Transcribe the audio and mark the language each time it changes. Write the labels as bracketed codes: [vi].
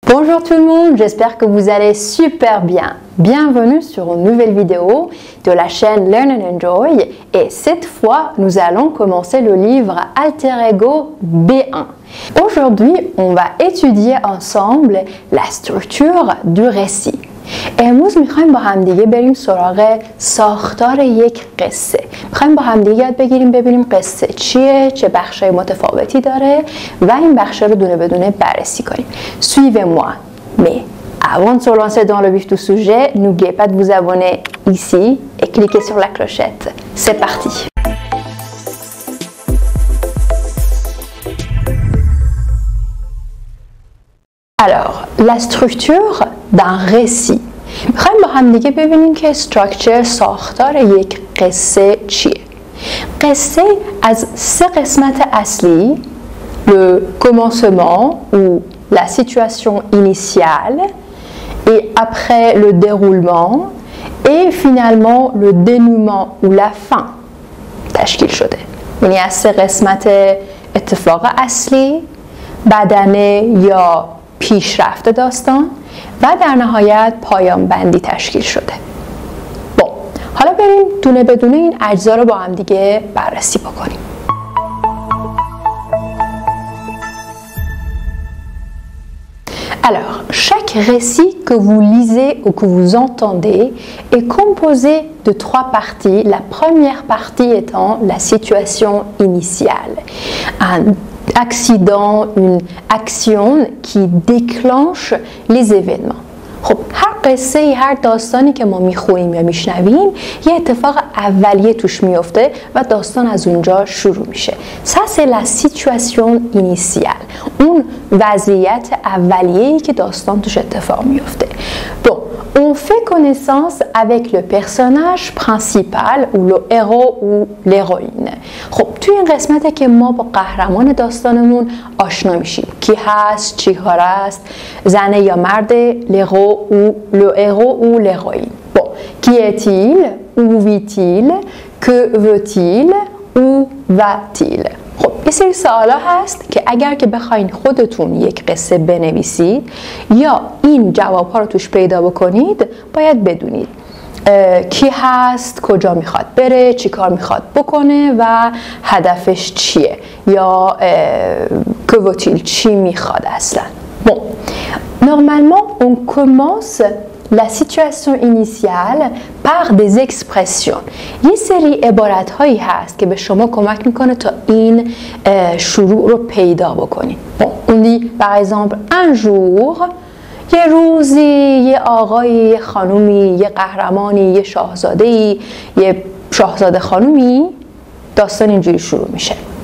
[fr] Bonjour tout le monde, j'espère que vous allez super bien. Bienvenue sur une nouvelle vidéo de la chaîne Learn and Enjoy. Et cette fois, nous allons commencer le livre Alter Ego B1. Aujourd'hui, on va étudier ensemble la structure du récit. [fa] امروز میخوایم با همدیگه بریم سراغ ساختار یک قصه. میخوایم با همدیگه یاد بگیریم ببینیم قصه چیه، چه بخشای متفاوتی داره و این بخشا رو دونه به دونه بررسی کنیم. [fr] Suivez-moi. Mais avant de se lancer dans le vif du sujet, n'oubliez pas de vous abonner ici et cliquez sur la clochette. C'est parti. Alors, la structure d'un récit. [fa] می‌خوایم با هم دیگه ببینیم که استراکچر ساختار یک قصه چیه. قصه از سه قسمت اصلی، [fr] le commencement ou la situation initiale et après le déroulement et finalement le dénouement ou la fin [fa] تشکیل شده. یعنی از سه قسمت اتفاق اصلی، بدنه یا پیشرفت داستان و در نهایت پایان بندی تشکیل شده. بون. حالا بریم دونه به دونه این اجزا رو با هم دیگه بررسی بکنیم. [fr] Alors, chaque récit que vous lisez ou que vous entendez est composé de trois parties. La première partie étant la situation initiale. Accident, une action qui déclenche les événements. [fa] خب هر قصه ای، هر داستانی که ما میخونیم یا میشنویم یه اتفاق اولیه توش میفته و داستان از اونجا شروع میشه. [fr] Ça c'est la situation initiale. [fa] اون وضعیت اولیه‌ای که داستان توش اتفاق میفته. [fr] Bon, on fait connaissance avec le personnage principal ou le héros ou l'héroïne. [fa] خب توی این قسمته که ما با قهرمان داستانمون آشنا میشیم. کی هست، چی کار است، زن یا مرد، لرو [fr] ou le héros ou l'héroïne. Bon, qui est-il? Où vit-il? Que veut-il? Où va-t-il? [fa] خب یه سری سوالا هست که اگر که بخواین خودتون یک قصه بنویسید یا این جواب ها رو توش پیدا بکنید باید بدونید کی هست، کجا میخواد بره، چی کار میخواد بکنه و هدفش چیه یا که وتیل چی میخواد اصلا. [fr] Bon. Normalement, on commence la situation initiale par des expressions. [fa] یه سری عبارت هایی هست که به شما کمک میکنه تا این شروع رو پیدا بکنید. [fr] Bon. On dit par exemple un jour, [fa] یه روزی، یه آقایی، یه خانومی، یه قهرمانی، یه شاهزاده‌ای، یه شاهزاده خانومی، داستان اینجوری شروع میشه.